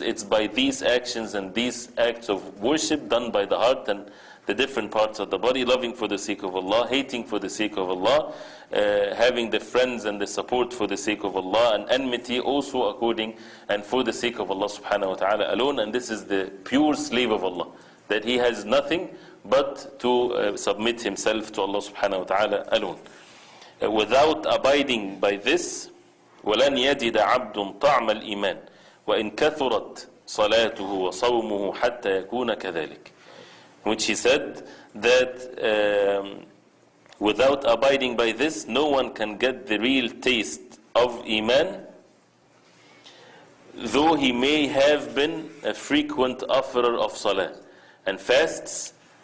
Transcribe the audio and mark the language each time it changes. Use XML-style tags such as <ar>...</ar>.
<en>It's by these actions and these acts of worship done by the heart and the different parts of the body, loving for the sake of Allah, hating for the sake of Allah, having the friends and the support for the sake of Allah, and enmity also according and for the sake of Allah subhanahu wa ta'ala alone. And this is the pure slave of Allah, that he has nothing but to submit himself to Allah subhanahu wa ta'ala alone. Without abiding by this,</en> <ar>وَلَنْ يَجِدَ عَبْدٌ طَعْمَ الْإِيمَانِ وَإِنْ كَثُرَتْ صَلَاتُهُ وَصَوْمُهُ حَتَّى يَكُونَ كَذَلِكَ.</ar> <en>Which he said that without abiding by this, no one can get the real taste of iman, though he may have been a frequent offerer of salah and fasts.</en>